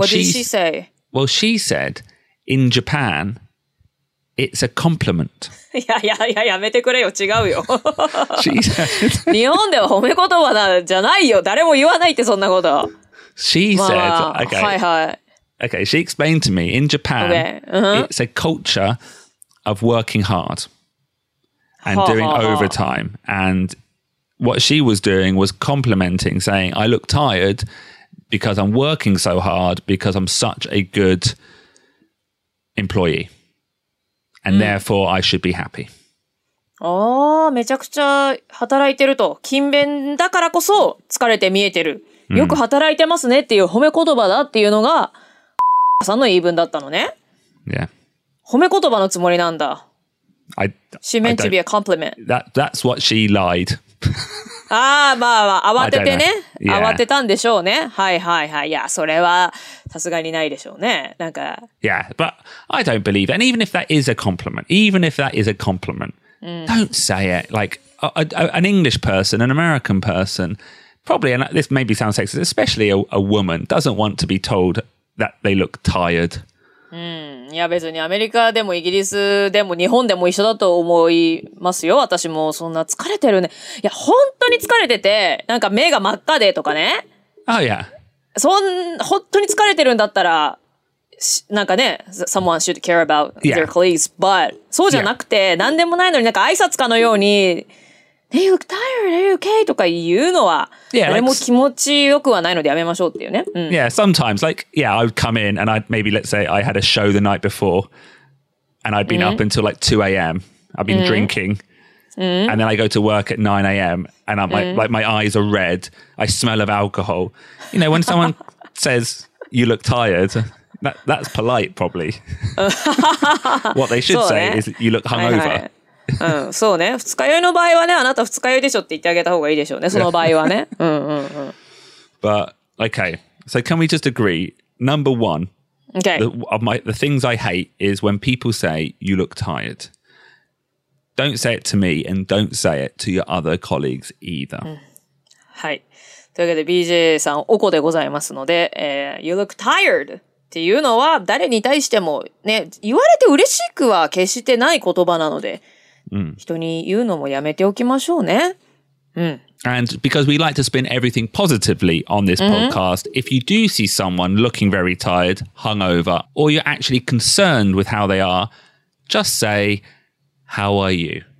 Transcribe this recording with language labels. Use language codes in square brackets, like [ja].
[en] what did she say? Well, she said, in Japan, It's a compliment. [ja] やめてくれよ。違うよ。 [en] She said. [ja] 日本では褒め言葉なんじゃないよ。誰も言わないってそんなこと。 [en] She said. Okay. [ja] はいはい。 [en] Okay, she explained to me, in Japan, okay.、Uh-huh. it's a culture of working hard and doing overtime. And what she was doing was complimenting, saying, I look tired because I'm working so hard because I'm such a good employee. And、therefore, I should be happy. [ja] Oh, めちゃくちゃ働いてると。勤勉だからこそ疲れて見えてる。よく働いてますねっていう褒め言葉だっていうのが、さんの言い分だったのね。 [en] Yeah. [ja] 褒め言葉のつもりなんだ。 [en] She meant to be a compliment. That's what she lied. [ja] ああ、まあ、まあ、慌ててね。 [en] Yeah. [ja] 慌てたんでしょうね。はいはいはい。いや、それはさすがにないでしょうね。なんか。 [en] Yeah, but I don't believe it. And even if that is a compliment, even if that is a compliment,、don't say it. Like an English person, an American person, probably, and this maybe sounds sexist, especially a woman, doesn't want to be told. That they look tired. [ja] いや別にアメリカでもイギリスでも日本でも一緒だと思いますよ。私もそんな疲れてるね。いや本当に疲れてて、なんか目が真っ赤でとかね。 [en] Oh yeah. [ja] そん本当に疲れてるんだったら、なんかね、 [en] someone should care about their colleagues. Yeah. [ja] But そうじゃなくて、 [en] yeah. [ja] 何でもないのになんか挨拶かのように、 [en] They look tired. Are you okay? [ja] とか言うのは、 [en] yeah, like, [ja] 誰も気持ちよくはないのでやめましょうっていうね。 [en] Yeah, sometimes, like, yeah, I would come in and I'd maybe, let's say, I had a show the night before and I'd been、up until like 2 a.m. I've been、drinking、and then I go to work at 9 a.m. and I'm、like my eyes are red. I smell of alcohol. You know, when someone says, you look tired, that's polite, probably. What they should、say is, you look hungover. [ja] はい、はいうん、そうね。二日酔いの場合はね、あなた二日酔いでしょって言ってあげた方がいいでしょうね。その場合はね。 [en] But, okay. So can we just agree? Number one. Okay. The things I hate is when people say, you look tired. Don't say it to me and don't say it to your other colleagues either.、 [ja] はい。というわけで BJ さん、おこでございますので、 [en] you look tired [ja] っていうのは誰に対してもね、言われて嬉しくは決してない言葉なので、人に言うのもやめておきましょうね。 [en] And because we like to spin everything positively on this podcast, if you do see someone looking very tired, hungover, or you're actually concerned with how they are, just say, how are you?